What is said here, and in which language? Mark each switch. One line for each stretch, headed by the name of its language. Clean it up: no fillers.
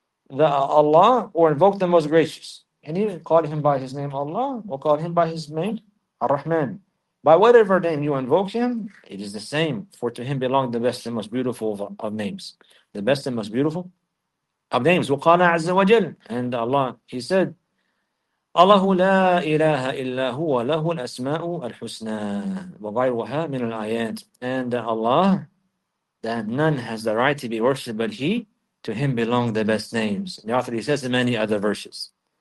English: The Allah, or invoke the Most Gracious. And even call him by his name Allah, or call him by his name Ar-Rahman. By whatever name you invoke him, it is the same. For to him belong the best and most beautiful of names. The best and most beautiful of names.
Arabic: وَقَالَ عَزَّ وَجَلَّ.
English: And Allah, he said,
Arabic: أَلَّهُ لَا إِلَهَ إِلَّا هُوَ لَهُ الْأَسْمَاءُ الْحُسْنَى وَغَيْرُهَا مِنَ الْآيَاتِ.
English: And Allah, that none has the right to be worshipped but he, to him belong the best names. The author, he says, and many other verses.